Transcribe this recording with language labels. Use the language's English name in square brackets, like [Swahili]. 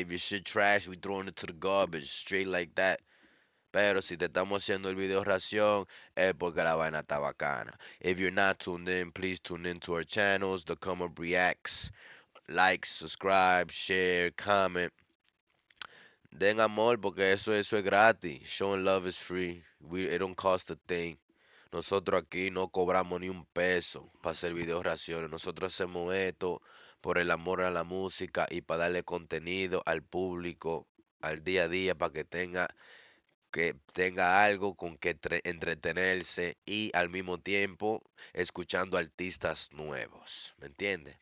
[English] If your shit trash, we throwing it to the garbage, straight like that. [Spanish] Pero si te estamos haciendo el video reacción, es porque la vaina está bacana. [English] If you're not tuned in, please tune in to our channels, The Come Up Reacts. Like, subscribe, share, comment. [Spanish] Den amor porque eso es gratis. [English] Showing love is free. It don't cost a thing. [Spanish] Nosotros aquí no cobramos ni un peso para hacer video reacciones. Nosotros hacemos esto por el amor a la música y para darle contenido al público, al día a día, para que tenga algo con que entretenerse y al mismo tiempo escuchando artistas nuevos. ¿Me entiende?